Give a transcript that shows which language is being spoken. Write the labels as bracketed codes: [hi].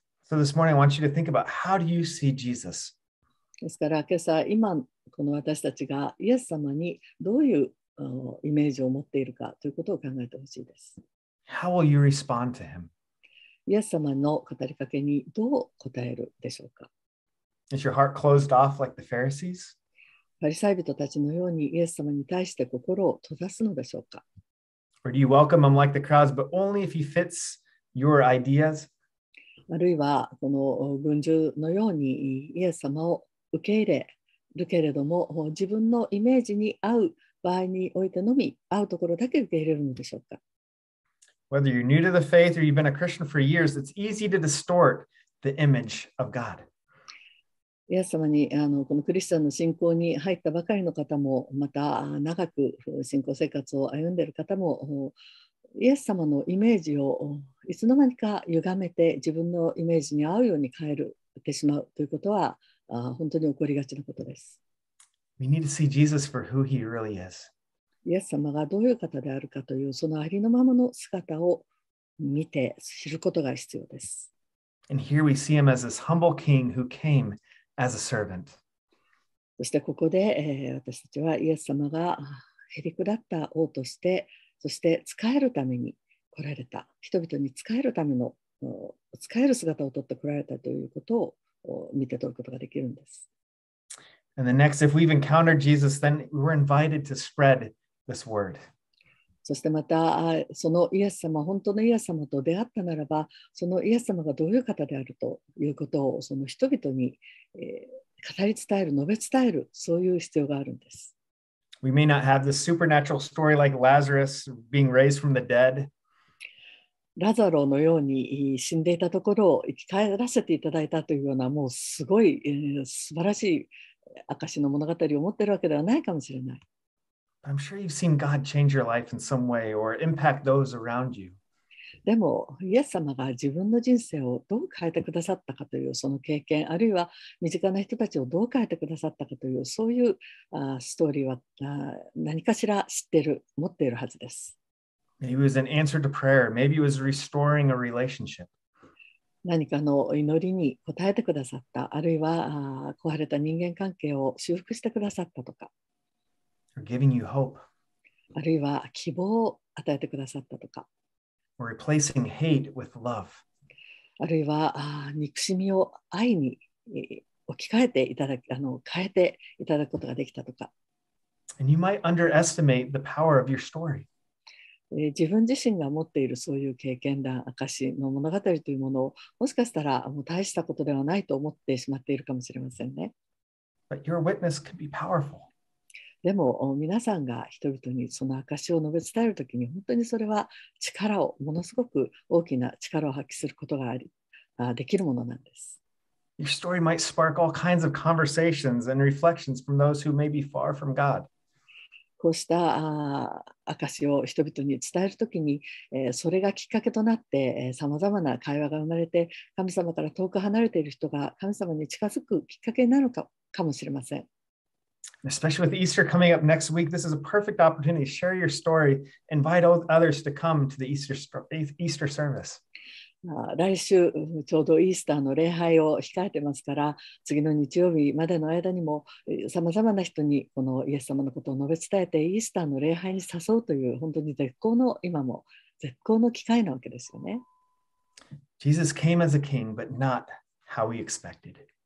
[en] So this morning I want you to think about how do you see Jesus? [ja] ですから今朝、今この私たちがイエス様にどういうイメージを持っているかということを考えてほしいです。 [en] How will you respond to him? [ja] イエス様の語りかけにどう答えるでしょうか? [en] Is your heart closed off like the Pharisees? [ja] パリサイ人たちのようにイエス様に対して心を閉ざすのでしょうか。 [en] Or do you welcome him like the crowds, but only if he fits your ideas? [ja] あるいはこの群衆のようにイエス様を受け入れるけれども、自分のイメージに合う場合においてのみ、合うところだけ受け入れるのでしょうか。 [en] Whether you're new to the faith or you've been a Christian for years, it's easy to distort the image of God. [ja] イエス様にこのクリスチャンの信仰に入ったばかりの方もまた長く信仰生活を歩んでいる方もイエス様のイメージをいつの間にか歪めて自分のイメージに合うように変えるてしまうということは本当に起こりがちなことです。 [en] We need to see Jesus for who he really is. [ja] イエス様がどういう方であるかというそのありのままの姿を見て知ることが必要です。 [en] And here we see him as this humble king who cameAs a servant. [ja] そしてここで、私たちはイエス様がへりくだった王としてそして仕えるために来られた人々に仕えるための仕える姿を取って来られたということを見て取ることができるんです。 [en] And the next, if we've encountered Jesus, then we're invited to spread this word. [ja] そしてまたそのイエス様本当のイエス様と出会ったならばそのイエス様がどういう方であるということをその人々に語り伝える述べ伝えるそういう必要があるんです。 [en] We may not have this supernatural story like Lazarus being raised from the dead. [ja] ラザロのように死んでいたところを生き返らせていただいたというようなもうすごい素晴らしい証の物語を持っているわけではないかもしれない。 [en] I'm sure you've seen God change your life in some way or impact those around you. [ja] でもイエス様が自分の人生をどう変えてくださったかというその経験あるいは身近な人たちをどう変えてくださったかというそういうストーリーは何かしら知ってる持っているはずです。 [en] Maybe it was an answer to prayer. Maybe it was restoring a relationship. [ja] 何かの祈りに応えてくださったあるいは壊れた人間関係を修復してくださったとか [en] Or giving you hope. [ja] あるいは希望を与えてくださったとか [en] Replacing hate with love. [ja] あるいは憎しみを愛に置き換えていただく変えていただくことができたとか。 [en] And you might underestimate the power of your story. [ja] 自分自身が持っているそういう経験談、証の物語というものをもしかしたらもう大したことではないと思ってしまっているかもしれませんね。 [en] But your witness could be powerful. [ja] でも皆さんが人々にその証を述べ伝えるときに本当にそれは力をものすごく大きな力を発揮することがありできるものなんです。 [en] Your story might spark all kinds of conversations and reflections from those who may be far from God. [ja] こうした証を人々に伝えるときに、それがきっかけとなって、さまざまな会話が生まれて、神様から遠く離れている人が神様に近づくきっかけになるかもしれません。 [en] Especially with Easter coming up next week, this is a perfect opportunity to share your story, invite others to come to the Easter service. [ja] 来週ちょうどイースターの礼拝を控えてますから、次の日曜日までの間にも様々な人にこのイエス様のことを述べ伝えてイースターの礼拝に誘うという本当に絶好の今も絶好の機会なわけですよね。 [en] Jesus came as a king, but not how we expected.